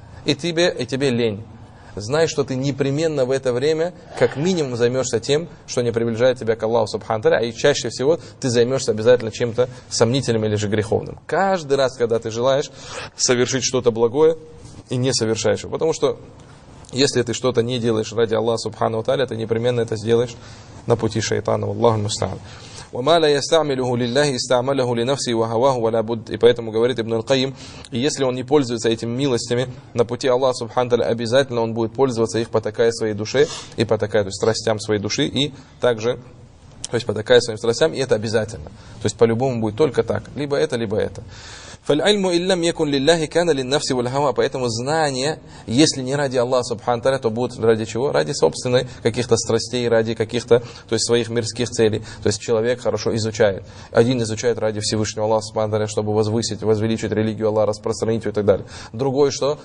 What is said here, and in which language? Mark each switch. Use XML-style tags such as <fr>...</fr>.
<ru>И тебе лень. Знай, что ты непременно в это время как минимум займешься тем, что не приближает тебя к Аллаху Субхану ва Тааля, а и чаще всего ты займешься обязательно чем-то сомнительным или же греховным. Каждый раз, когда ты желаешь совершить что-то благое и не совершаешь его. Потому что если ты что-то не делаешь ради Аллаха Субхану ва Тааля, ты непременно это сделаешь на пути шайтана.</ru> <ar>Аллаху мустаан. وما لا يستعمله لله استعمله لنفسه وهواه ولا بد.</ar> <ru>И поэтому говорит Ибн аль-Кайим, если он не пользуется этими милостями на пути Аллаха Субхану ва Тааля, обязательно он будет пользоваться их, потакая своей душе и потакая, то есть, страстям своей души, и также, то есть, потакая своим страстям, и это обязательно. То есть по-любому будет только так, либо это, либо это.</ru> <ar>فالعلم إن لم يكن لله كان للنفس والهوى.</ar> <ru>Поэтому знание, если не ради Аллаха Субхану ва Тааля, то будет ради чего? Ради собственной каких-то страстей, ради каких-то, то есть своих мирских целей. То есть человек хорошо изучает. Один изучает ради Всевышнего Аллаха Субхану ва Тааля, чтобы возвеличить религию Аллаха, распространить ее и так далее. Другой что?</ru>